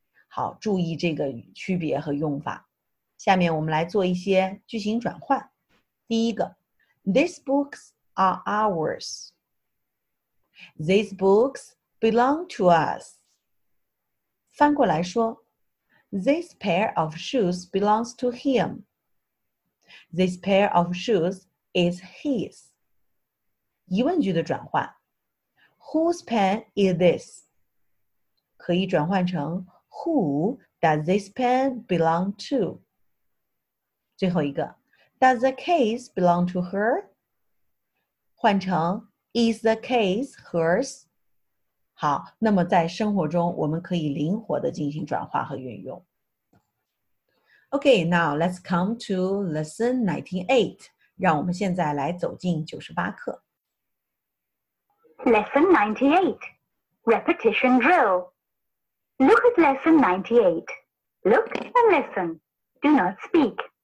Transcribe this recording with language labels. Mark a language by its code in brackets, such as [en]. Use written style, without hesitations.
[zh] 好，注意这个区别和用法。下面我们来做一些句型转换。第一个， [en] These books are ours. These books belong to us. [zh] 翻过来说， [en] This pair of shoes belongs to him. This pair of shoes is his. [zh] 疑问句的转换， [en] Whose pen is this? [zh] 可以转换成 [en] Who does this pen belong to? [zh] 最后一个， [en] Does the case belong to her? [zh] 换成 [en] Is the case hers? [zh] 好，那么在生活中我们可以灵活地进行转化和运用。 [en] Okay, now let's come to lesson 19.8. [zh] 让我们现在来走进98课。 [en] Lesson 98. Repetition drill. Look at lesson 98. Look and listen. Do not speak.